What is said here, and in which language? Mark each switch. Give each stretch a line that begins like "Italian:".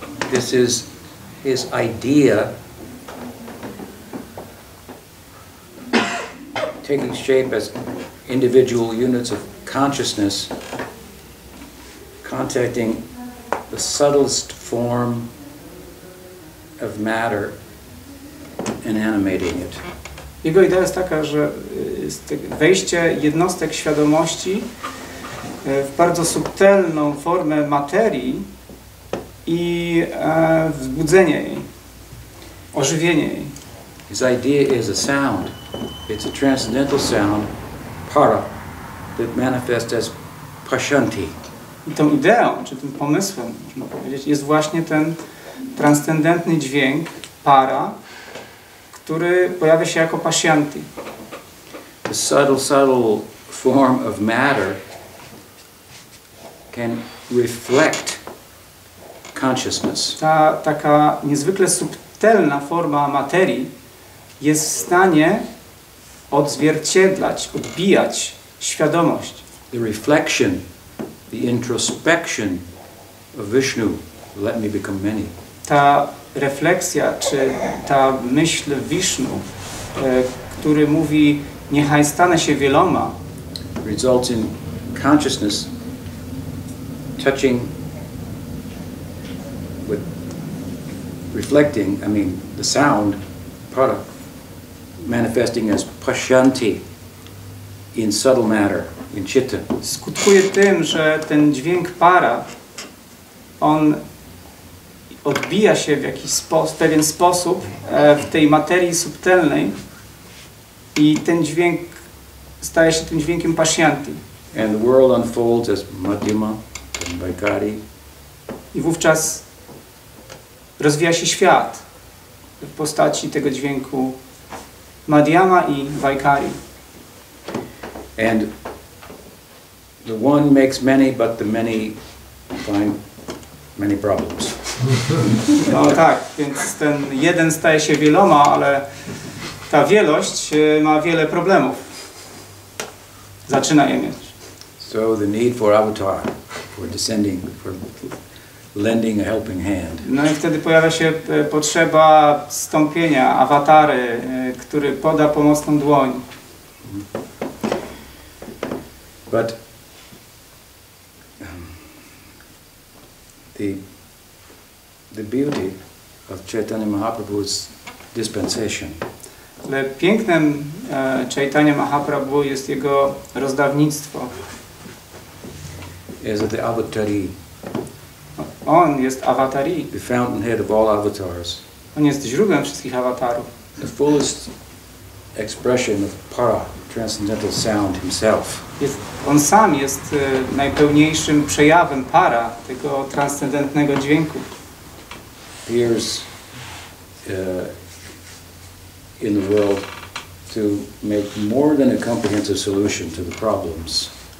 English: This is his idea taking shape as individual units of consciousness contacting the subtlest form of matter and animating it.
Polish: Jego idea jest taka, że wejście jednostek świadomości w bardzo subtelną formę materii i wzbudzenie jej, ożywienie jej.
English: His idea is a sound. It's a transcendental sound, para, that manifest as Prashanti.
Polish: I tą ideą, czy tym pomysłem, można powiedzieć, jest właśnie ten transcendentny dźwięk para, który pojawia się jako Prashanti.
English: The subtle, subtle form of matter can reflect consciousness.
Polish: Ta taka niezwykle subtelna forma materii jest w stanie odzwierciedlać, odbijać świadomość.
English: The reflection, the introspection of Vishnu, let me become many.
Polish: Ta refleksja, czy ta myśl Vishnu, który mówi, niechaj stanę się wieloma,
English: results in consciousness touching with reflecting, I mean, the sound product manifesting as Prashanti in subtle matter, in chitta.
Polish: Skutkuje tym, że ten dźwięk para, on odbija się w jakiś pewien sposób w tej materii subtelnej i ten dźwięk staje się tym dźwiękiem Prashanti.
English: And the world unfolds as Madhyama and Vaikari.
Polish: I wówczas rozwija się świat w postaci tego dźwięku Madhyama i Vaikari.
English: And the one makes many, but the many find many problems.
Polish: No tak, więc ten jeden staje się wieloma, ale ta wielość ma wiele problemów. Zaczyna je mieć.
English: So the need for avatar, for descending, for lending a helping hand.
Polish: No i wtedy pojawia się potrzeba stąpienia, awatary, który poda pomocną dłoń.
English: But the beauty of Chaitanya Mahaprabhu's dispensation.
Polish: Ale pięknem Chaitanya Mahaprabhu jest jego rozdawnictwo.
English: Is the avatari.
Polish: On jest avatari.
English: The fountainhead of all avatars.
Polish: On jest źródłem wszystkich avatarów.
English: The fullest expression of para, transcendental sound himself.
Polish: Jest, on sam jest najpełniejszym przejawem para, tego transcendentnego dźwięku.
English: Appears in the world to make more than a comprehensive solution to the problems.